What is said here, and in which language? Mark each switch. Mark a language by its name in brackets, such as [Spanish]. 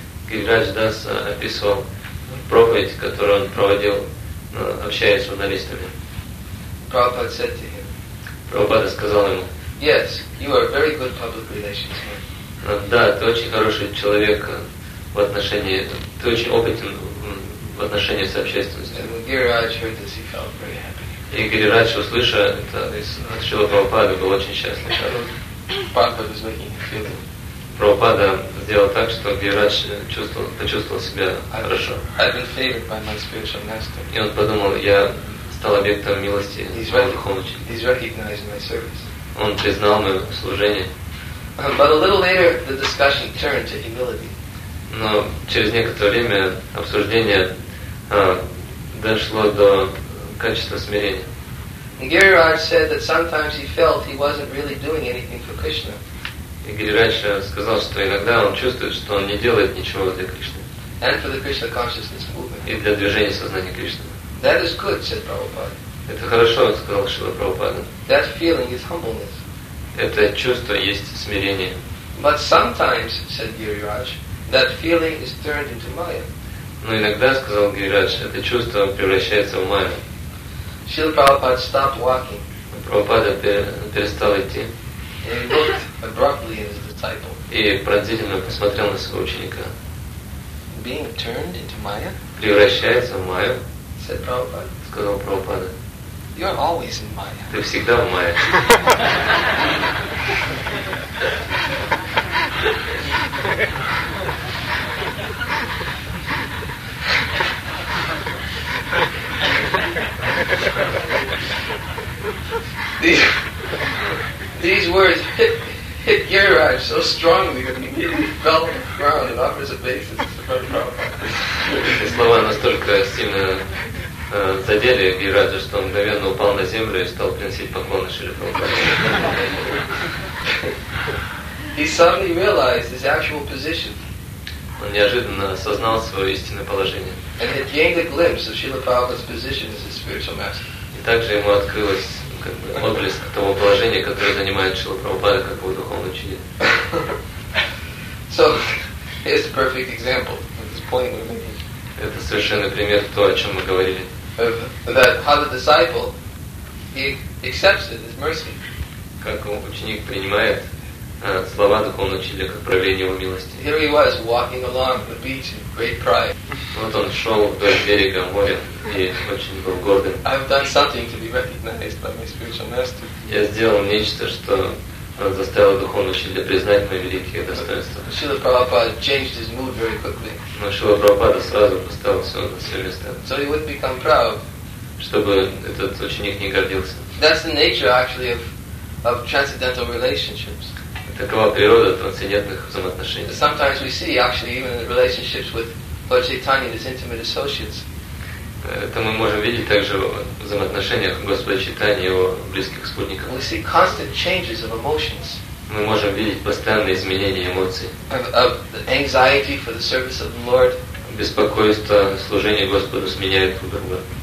[Russian] Гирирадж Дас описывал проповедь, которую он проводил, общаясь с журналистами. [English] Prabhupada said to him. [Russian] Прабхупада сказал ему. [English] Yes, you are a very good public relations man. [Russian] Да, ты очень хороший человек в отношении, ты очень опытен в отношении с общественностью. [English] And when Гирирадж heard this, he felt very happy. [Russian] И Гирирадж, услышав это, от Шрилы Прабхупады был очень счастлив. [English] Прабхупада was making him feel good. [Russian] Прабхупада сделал так, что Гирадж почувствовал себя хорошо. [English] I've been favored by my spiritual master. [Russian] И он подумал, я стал объектом милости своего духовного учителя. [English] He's recognized my service. [Russian] Он признал мое служение. [English] But a little later, the discussion turned to humility. [Russian] Но через некоторое время обсуждение дошло до качества смирения. [English] Гирирадж said that sometimes he felt he wasn't really doing anything for Krishna. [Russian] И Гирирадж сказал, что иногда он чувствует, что он не делает ничего для Кришны. [English] And for the Krishna consciousness movement. [Russian] И для движения сознания Кришны. [English] That is good, said Prabhupada. [Russian] Это хорошо, сказал Шрила Прабхупада. [English] That feeling is humbleness. [Russian] Это чувство есть смирение. [English] But sometimes, said Гирирадж, that feeling is turned into Maya. [Russian] Но иногда, сказал Гирирадж, это чувство превращается в Майю. [English] Шрила Прабхупада stopped walking. [Russian] Прабхупада перестал идти. [English] And looked abruptly at his disciple. [Russian] И пронзительно посмотрел на своего ученика. [English] Being turned into Maya? [Russian] Превращается в Майю. [English] Said Prabhupada. [Russian] Сказал Прабхупада. [English] You're always in Maya. [Russian] Ты всегда в Майя. [English] These words hit Gyaraj so strongly that he immediately fell on the ground and offers a basis [Russian] to слова настолько сильно задели Гирираджа, что он мгновенно упал на землю и стал приносить поклоны Шри Прабхупаде. [English] He suddenly realized his actual position. [Russian] Он неожиданно осознал свое истинное положение. [English] And had gained a glimpse of Srila Prabhupada's position as his spiritual master. [Russian] И также ему открылось как бы отблеск того положения, которое занимает Шрила Прабхупада как его духовный учитель. [English] So, here's a perfect example of this point we're making. [Russian] Это совершенно пример того, о чем мы говорили. [English] That how the disciple he accepts it as mercy. [Russian] Как ученик принимает слова духовного учителя как проявление его милости. [English] Here he was walking along the beach in great pride. [Russian] Вот он шел вдоль берега моря и очень был горден. [English] I've done something to be recognized by my spiritual master. [Russian] Я сделал нечто, что заставило духовного учителя признать мои великие достоинства. [English] Шрила Прабхупада changed his mood very quickly. [Russian] Но Шрила Прабхупада сразу поставил все на свое место. [English] So he would become proud. [Russian] Чтобы этот ученик не гордился. [English] That's the nature actually of transcendental relationships. [Russian] Такова природа трансцендентных взаимоотношений. [English] Sometimes we see actually even in relationships with Lord Chaitanya and his intimate associates. [Russian] Это мы можем видеть также в взаимоотношениях Господа Чайтаньи и его близких спутников. [English] We see constant changes of emotions. [Russian] Мы можем видеть постоянные изменения эмоций. [English] Of anxiety for the service of the Lord. [Russian] Беспокойство служения Господу сменяет друг друга.